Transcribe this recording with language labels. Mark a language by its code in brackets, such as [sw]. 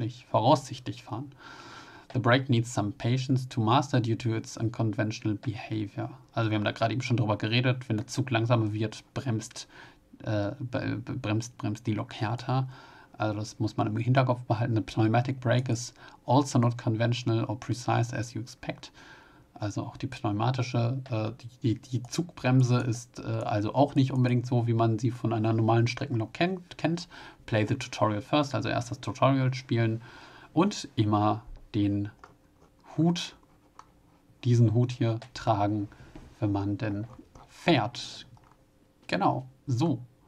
[de] Voraussichtlich fahren. [en] The brake needs some patience to master due to its unconventional behavior. [de] Also wir haben da gerade eben schon drüber geredet, wenn der Zug langsamer wird, bremst die Lok härter. Also das muss man im Hinterkopf behalten. [en] The pneumatic brake is also not conventional or precise as you expect. [de] Also auch die pneumatische, die Zugbremse ist also auch nicht unbedingt so, wie man sie von einer normalen Streckenlok kennt. [en] Play the Tutorial first, [de] also erst das Tutorial spielen und immer den Hut, diesen Hut hier tragen, wenn man denn fährt. Genau, so.